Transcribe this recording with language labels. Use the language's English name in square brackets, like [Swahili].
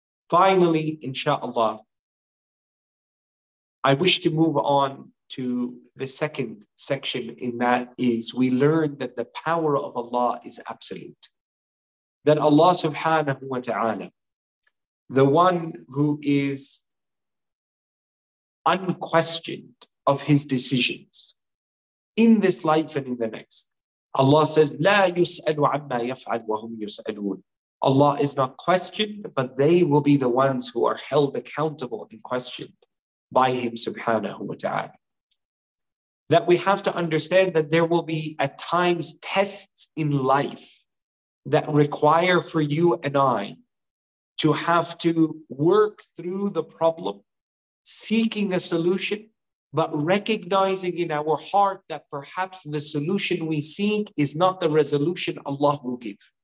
[English] Finally, inshallah, I wish to move on to the second section, in that is we learn that the power of Allah is absolute. That Allah subhanahu wa ta'ala, the one who is unquestioned of his decisions in this life and in the next. [Arabic] Allah says, لا يسأل عما يفعل وهم يسألون. [English] Allah is not questioned, but they will be the ones who are held accountable and questioned by him subhanahu wa ta'ala. That we have to understand that there will be at times tests in life that require for you and I to have to work through the problem, seeking a solution, but recognizing in our heart that perhaps the solution we seek is not the resolution Allah will give.